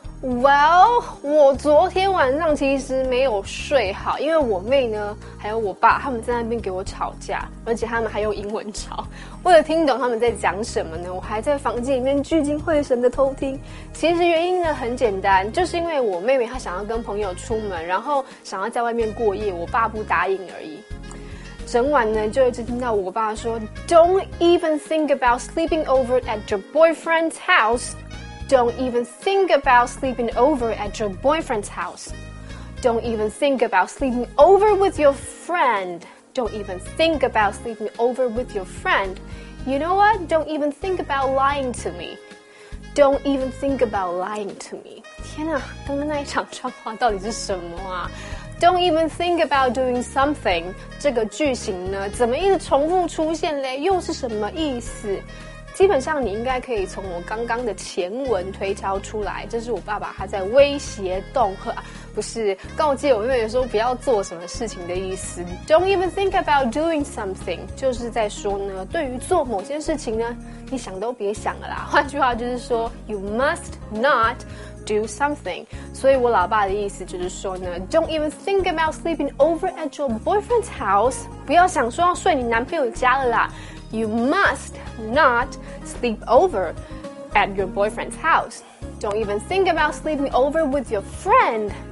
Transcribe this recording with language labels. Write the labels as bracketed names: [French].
[Chinese] Well, 我昨天晚上其实没有睡好，因为我妹呢，还有我爸，他们在那边给我吵架，而且他们还用英文吵。为了听懂他们在讲什么呢，我还在房间里面聚精会神的偷听。其实原因呢很简单，就是因为我妹妹她想要跟朋友出门，然后想要在外面过夜，我爸不答应而已。整晚呢就一直听到我爸说 [English] Don't even think about sleeping over at your boyfriend's house. Don't even think about sleeping over at your boyfriend's house. Don't even think about sleeping over with your friend. Don't even think about sleeping over with your friend. You know what? Don't even think about lying to me. Don't even think about lying to me. [Chinese] 天哪，刚刚那一场状况到底是什么啊？ [English] Don't even think about doing something. [Chinese] 这个句型呢，怎么一直重复出现嘞？又是什么意思？基本上你应该可以从我刚刚的前文推敲出来，这是我爸爸他在威胁恫吓，不是告诫我妹妹说不要做什么事情的意思。 [English] Don't even think about doing something. [Chinese] 就是在说呢，对于做某件事情呢，你想都别想了啦。换句话就是说 ， [English] You must not. Do something. [Chinese] 所以我老爸的意思就是说呢 [English] Don't even think about sleeping over at your boyfriend's house. [Chinese] 不要想说要睡你男朋友家了啦 [English] You must not sleep over at your boyfriend's house. Don't even think about sleeping over with your friend.